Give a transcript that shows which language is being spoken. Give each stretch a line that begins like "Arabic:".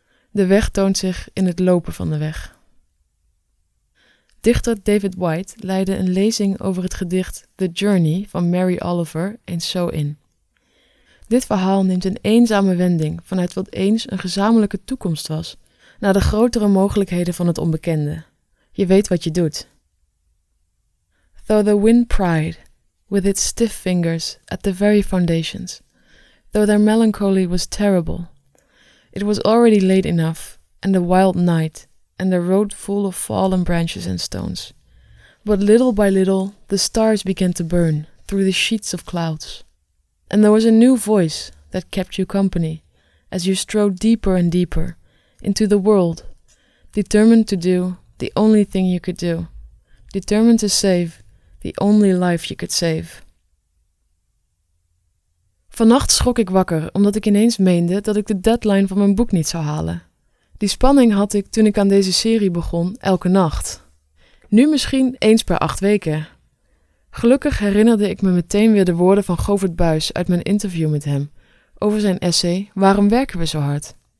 Dutch: De weg toont zich in het lopen van de weg. Dichter David White leidde een lezing over het gedicht The Journey van Mary Oliver eens zo in. Dit verhaal neemt een eenzame wending vanuit wat eens een gezamenlijke toekomst was, naar de grotere mogelijkheden van het onbekende. Je weet wat je doet.
English: Though the wind pride, with its stiff fingers at the very foundations, though their melancholy was terrible, it was already late enough, and a wild night, and a road full of fallen branches and stones. But little by little, the stars began to burn through the sheets of clouds. And there was a new voice that kept you company as you strode deeper and deeper into the world, determined to do the only thing you could do, determined to save the only life you could save.
Dutch: Vannacht schrok ik wakker omdat ik ineens meende dat ik de deadline van mijn boek niet zou halen. Die spanning had ik toen ik aan deze serie begon elke nacht. Nu misschien eens per 8 weken. Gelukkig herinnerde ik me meteen weer de woorden van Govert Buys uit mijn interview met hem over zijn essay Waarom werken we zo hard?